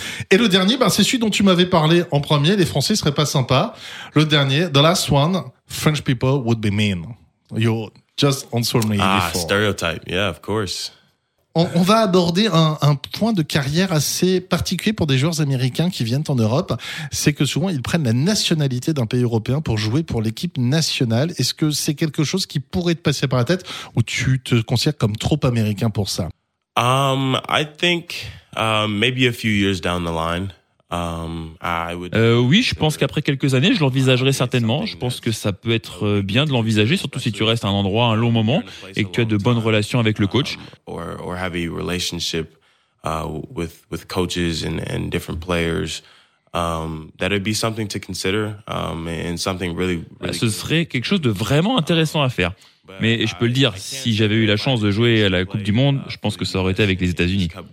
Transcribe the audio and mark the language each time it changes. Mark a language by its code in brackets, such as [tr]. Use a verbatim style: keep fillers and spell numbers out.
[fr] Et le dernier, ben, c'est celui dont tu m'avais parlé en premier. Les Français seraient pas sympas. Le dernier, [en] the last one, French people would be mean. You just answered me ah, before. Stereotype. Yeah, of course. [fr] On va aborder un, un point de carrière assez particulier pour des joueurs américains qui viennent en Europe. C'est que souvent, ils prennent la nationalité d'un pays européen pour jouer pour l'équipe nationale. Est-ce que c'est quelque chose qui pourrait te passer par la tête ou tu te considères comme trop américain pour ça? [en] Um, I think uh, maybe a few years down the line. Um, I would... [fr] euh, oui, je pense qu'après quelques années, je l'envisagerai certainement. Je pense que ça peut être bien de l'envisager, surtout si tu restes à un endroit un long moment et que tu as de bonnes relations avec le coach. [en] Or, or have a relationship uh, with with coaches and, and different players. Um, that would be something to consider um, and something really, really. [fr] Ce serait quelque chose de vraiment intéressant à faire. Mais je peux le dire, si j'avais eu la chance de jouer à la Coupe du Monde, je pense que ça aurait été avec les États-Unis.